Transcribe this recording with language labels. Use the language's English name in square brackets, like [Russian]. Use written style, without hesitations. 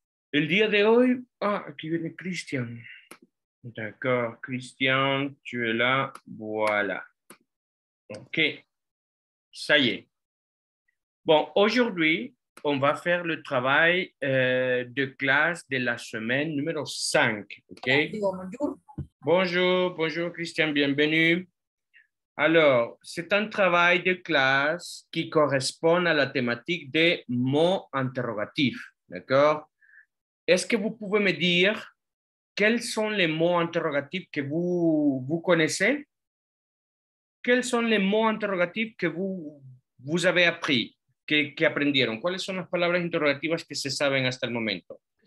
[Spanish] El día de hoy, ah, aquí viene Cristian. [French] D'accord, Cristian, tu es là, voilà. Ok, ça y est. Bon, aujourd'hui, on va faire le travail de classe de la semaine numéro 5. Ok. Bonjour, bonjour Cristian, bienvenue. Alors, c'est un travail de classe qui correspond à la thématique des mots interrogatifs. D'accord? Est-ce que vous pouvez me dire quels sont les mots interrogatifs que vous connaissez? Quels sont les mots interrogatifs que vous avez appris, [Spanish] que aprendieron? ¿Cuáles son las palabras interrogativas que se saben hasta el momento?